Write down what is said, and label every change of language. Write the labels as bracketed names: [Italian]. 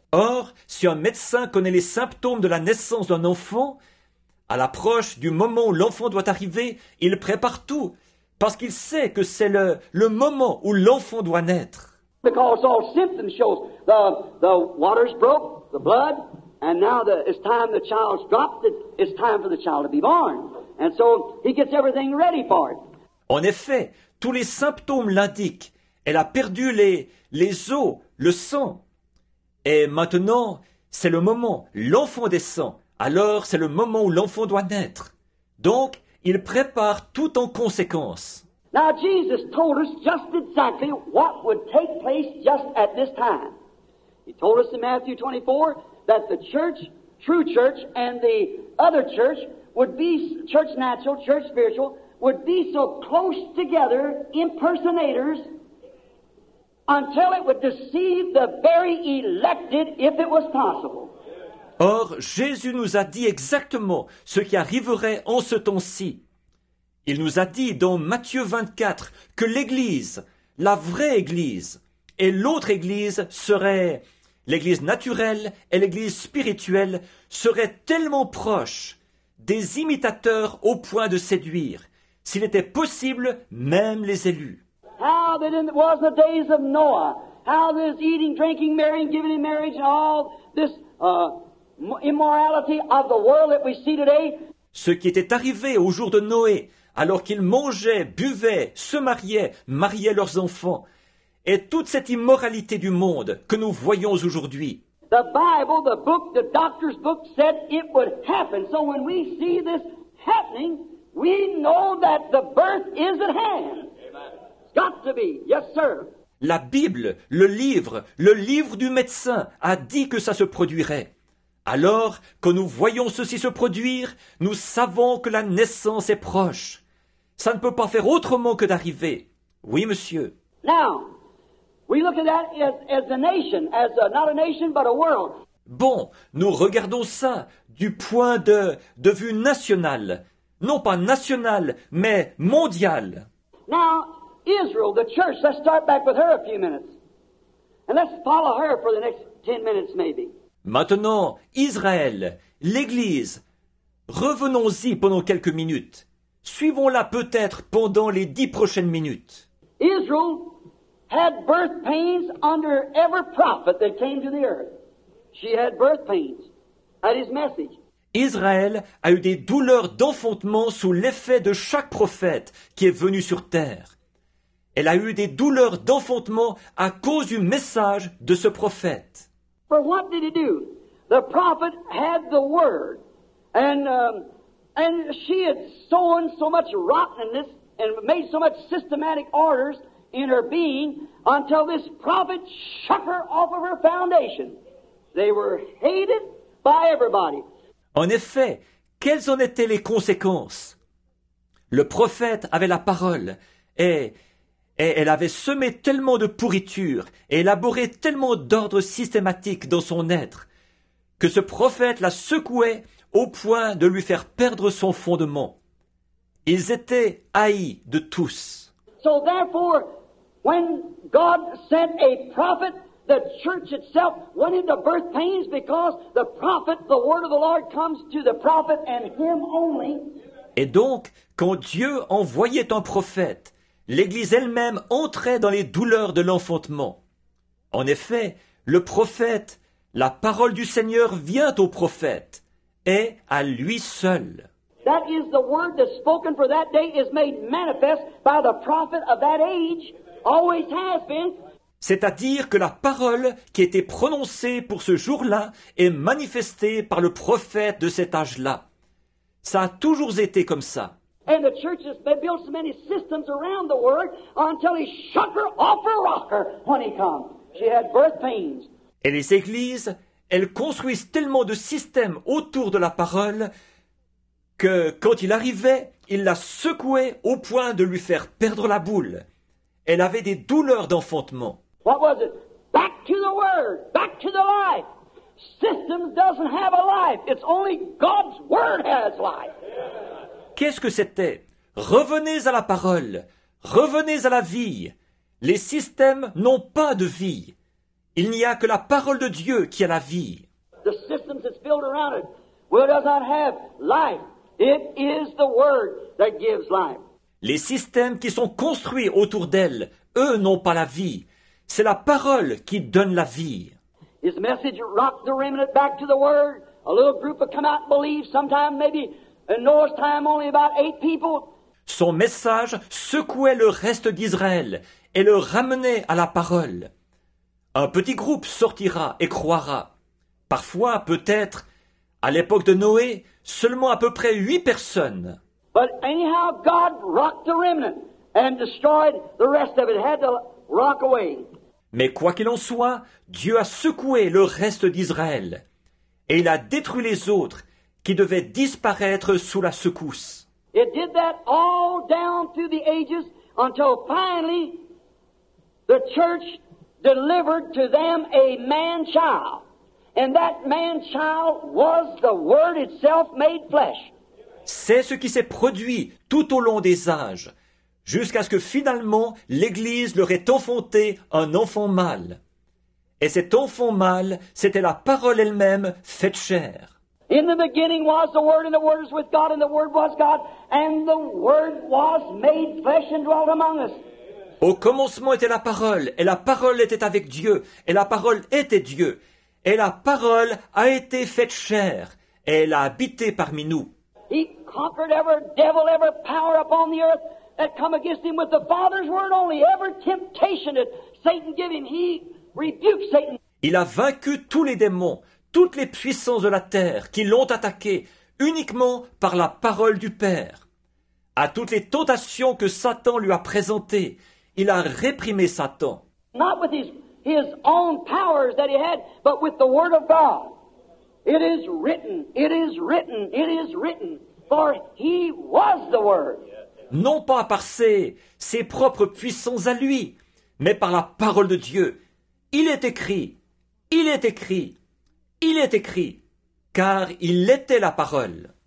[French] Or, si un médecin connaît les symptômes de la naissance d'un enfant, à l'approche du moment où l'enfant doit arriver, il prépare tout, parce qu'il sait que c'est le moment où l'enfant doit naître. [English] Because all symptoms show the water's broke, the blood, and now it's time the child's dropped it, it's time for the child to be born. And so he gets everything ready for it. [French] En effet, tous les symptômes l'indiquent. Elle a perdu les os, le sang. Et maintenant, c'est le moment, l'enfant descend, alors c'est le moment où l'enfant doit naître. Donc, il prépare tout en conséquence. [English] Now, Jesus told us just exactly what would take place just at this time. He told us in Matthew 24 that the church, true church, and the other church would be, church natural, church spiritual, would be so close together, impersonators, until it would deceive the very elected if it was possible. [French] Or, Jésus nous a dit exactement ce qui arriverait en ce temps-ci. Il nous a dit dans Matthieu 24 que l'Église, la vraie Église, et l'autre Église serait l'Église naturelle et l'Église spirituelle seraient tellement proches des imitateurs au point de séduire, s'il était possible, même les élus. [English] How that it was in the days of Noah. How this eating, drinking, marrying, giving in marriage, and all this immorality of the world that we see today. [French] Ce qui était arrivé au jour de Noé, alors qu'ils mangeaient, buvaient, se mariaient, mariaient leurs enfants, et toute cette immoralité du monde que nous voyons aujourd'hui. [English] The Bible, the book, the doctor's book said it would happen. So when we see this happening, we know that the birth is at hand. Got to be. Yes, sir. [French] La Bible, le livre du médecin a dit que ça se produirait. Alors que nous voyons ceci se produire, nous savons que la naissance est proche. Ça ne peut pas faire autrement que d'arriver. Oui, monsieur. [English] Now, we look at that as a nation, as a, not a nation, but a world. [French] Bon, nous regardons ça du point de vue national. Non pas national, mais mondial. [English] Now, Israel, the church, let's start back with her a few minutes. And let's follow her for the next 10 minutes, maybe. [French] Maintenant, Israël, l'Église, revenons-y pendant quelques minutes. Suivons-la peut-être pendant les 10 prochaines minutes. [English] Israël had birth pains under every prophet that came to the earth. She had birth pains at his message. [French] Israël a eu des douleurs d'enfantement sous l'effet de chaque prophète qui est venu sur terre. Elle a eu des douleurs d'enfantement à cause du message de ce prophète. [English] For what did he do? The prophet had the word, and she had sown so much rottenness and made so much systematic orders in her being until this prophet shook her off of her foundation. They were hated by everybody. [French] En effet, quelles en étaient les conséquences? Le prophète avait la parole et elle avait semé tellement de pourriture et élaboré tellement d'ordres systématiques dans son être que ce prophète la secouait au point de lui faire perdre son fondement. Ils étaient haïs de tous. [English] So therefore, when God sent a prophet, the church itself went into birth pains because the prophet, the word of the Lord comes to the prophet and him only. [French] Et donc, quand Dieu envoyait un prophète, l'Église elle-même entrait dans les douleurs de l'enfantement. En effet, le prophète, la parole du Seigneur vient au prophète et à lui seul. [English] That is the word that's spoken for that day is made manifest by the prophet of that age, always has been. [French] C'est-à-dire que la parole qui était prononcée pour ce jour-là est manifestée par le prophète de cet âge-là. Ça a toujours été comme ça. [English] And the church has built so many systems around the word until he shook her off her rocker when he comes. She had birth pains. [French] Et les églises, elles construisent tellement de systèmes autour de la parole que quand il arrivait, il la secouait au point de lui faire perdre la boule. Elle avait des douleurs d'enfantement. [English] What was it? Back to the word, back to the life. Systems doesn't have a life. It's only God's word has life. [French] Qu'est-ce que c'était? Revenez à la parole. Revenez à la vie. Les systèmes n'ont pas de vie. Il n'y a que la parole de Dieu qui a la vie. [English] The systems that's built around it will not have life. It is the word that gives life. [French] Les systèmes qui sont construits autour d'elle, eux n'ont pas la vie. C'est la parole qui donne la vie. [English] His message rocked the remnant back to the word. A little group would come out and believe, sometime maybe in Noah's time only about 8 people. [French] Son message secouait le reste d'Israël et le ramenait à la parole. Un petit groupe sortira et croira. Parfois, peut-être, à l'époque de Noé, seulement à peu près 8 personnes. [English] But anyhow, God rocked the remnant and destroyed the rest of it. Had to rock away. [French] Mais quoi qu'il en soit, Dieu a secoué le reste d'Israël et il a détruit les autres qui devaient disparaître sous la secousse. [English] It did that all down through the ages until finally the church delivered to them a man child. And that man child was the word itself made flesh. [French] C'est ce qui s'est produit tout au long des âges. Jusqu'à ce que finalement l'Église leur ait enfanté un enfant mâle. Et cet enfant mâle, c'était la parole elle-même faite chair. [English] In the beginning was the Word, and the Word was with God, and the Word was God, and the Word was made flesh and dwelt among us. [French] Au commencement était la parole, et la parole était avec Dieu, et la parole était Dieu, et la parole a été faite chair, et elle a habité parmi nous. [English] He conquered every devil, every power upon the earth. That come against him with the Father's word only. Every temptation that Satan gave him, he rebuked Satan. [French] Il a vaincu tous les démons, toutes les puissances de la terre qui l'ont attaqué uniquement par la parole du Père. À toutes les tentations que Satan lui a présentées, il a réprimé Satan. [English] Not with his own powers that he had, but with the word of God. It is written, it is written, it is written, for he was the word. [French] Non pas par ses propres puissances à lui, mais par la parole de Dieu. Il est écrit, il est écrit, il est écrit, car il était la parole.